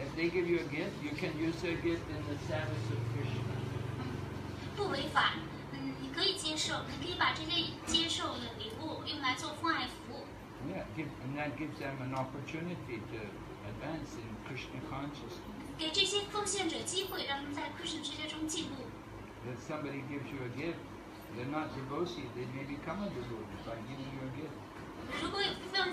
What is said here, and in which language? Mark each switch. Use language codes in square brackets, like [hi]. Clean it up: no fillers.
[en] If they give you a gift, you can use their gift in the service of Krishna. [zh] 不违法，你可以接受，你可以把这些接受的礼物用来做奉爱服务。 [en] Yeah, and that gives them an opportunity to advance in Krishna consciousness. [zh] 给这些奉献者机会，让他们在Krishna世界中进步。 [en] If somebody gives you a gift, they're not devotee, they may become a devotee by giving you a gift.